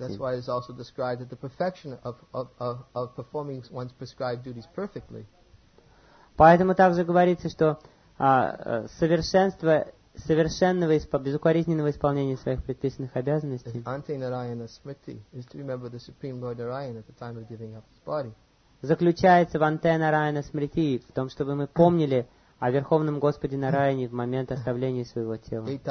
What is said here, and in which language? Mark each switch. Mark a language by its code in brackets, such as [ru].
[en] That's why it's also described that the perfection of performing one's prescribed duties perfectly. [ru] Поэтому также говорится, что совершенство совершенного безукоризненного исполнения своих предписанных обязанностей. [en] Ante Narayana Smriti is to remember the Supreme Lord Narayana at the time of giving up his body. [ru] заключается в антенна Нараяна Смрити, в том, чтобы мы помнили о Верховном Господе Нараяне в момент оставления своего тела.